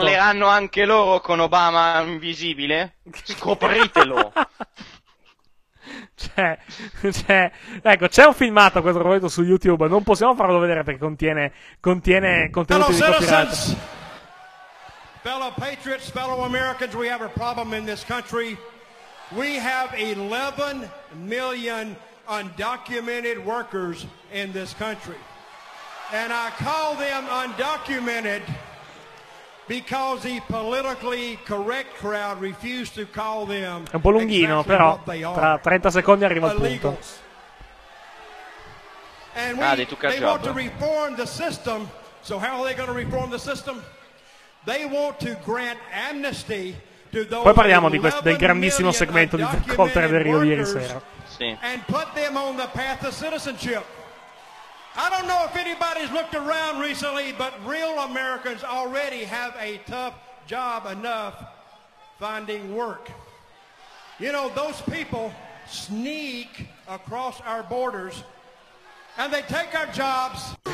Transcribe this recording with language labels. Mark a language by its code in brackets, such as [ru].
[it] Parleranno anche loro con Obama invisibile? Scopritelo! Ecco, c'è un filmato a questo proposito su YouTube, non possiamo farlo vedere perché contiene contenuti di copyright. [en] Fellow patriots, fellow Americans, we have a problem in this country. We have 11 million undocumented workers in this country. And I call them undocumented because the politically correct crowd refused to call them. [it] È un po' lunghino, [en] exactly, [it] però tra 30 secondi arriva al punto. [en] And we, they want to reform the system. So how are they going to reform the system? They want to grant amnesty to those. [it] Poi parliamo di questo, del grandissimo segmento di Colter del Rio ieri sera. [en] And put them on the path of citizenship. I don't know if anybody's looked around recently, but real Americans already have a tough job enough finding work. You know, those people sneak across our borders and they take our jobs.